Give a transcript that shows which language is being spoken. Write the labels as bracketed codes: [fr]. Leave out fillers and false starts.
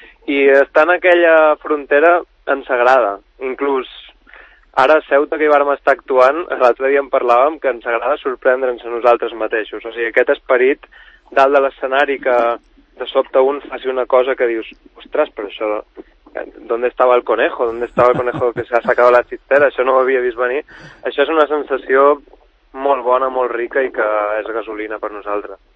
[ca] I estar en aquella frontera ens agrada. Inclús ara a Ceuta, que hi vàrem estar actuant, l'altre dia en parlàvem, que ens agrada sorprendre'ns a nosaltres mateixos. O sigui, aquest esperit dalt de l'escenari que de sobte un faci una cosa que dius, ostres, però això... [es] ¿Dónde estaba el conejo? ¿Dónde estaba el conejo que se ha sacado la cistera? [ca] Això no ho havia vist venir. Això és una sensació molt bona, molt rica, i que és gasolina per nosaltres.